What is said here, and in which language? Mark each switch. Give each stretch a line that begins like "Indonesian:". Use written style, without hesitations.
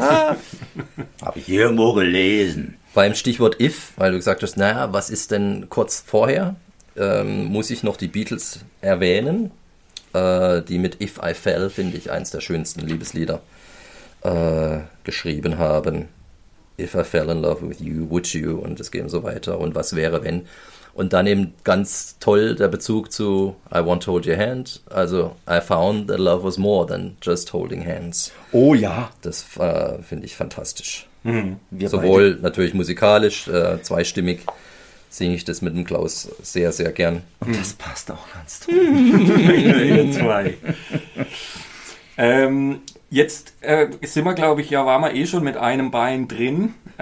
German: Habe ich irgendwo gelesen. Beim Stichwort If, weil du gesagt hast, naja, was ist denn kurz vorher... muss ich noch die Beatles erwähnen, die mit If I Fell, finde ich, eins der schönsten Liebeslieder geschrieben haben.
English: If I Fell in Love with You, Would You?
German: Und es geht so weiter. Und Was wäre, wenn? Und dann eben ganz toll der Bezug zu I Want to Hold Your Hand.
English: Also I found that love was more than just holding hands.
German: Oh ja. Das finde ich fantastisch. Mhm. Sowohl beide. Natürlich musikalisch, zweistimmig, singe ich das mit dem Klaus sehr, sehr gern. Und das passt auch ganz toll. Ihr zwei. Jetzt sind wir, glaube ich, ja, waren wir eh schon mit einem Bein drin.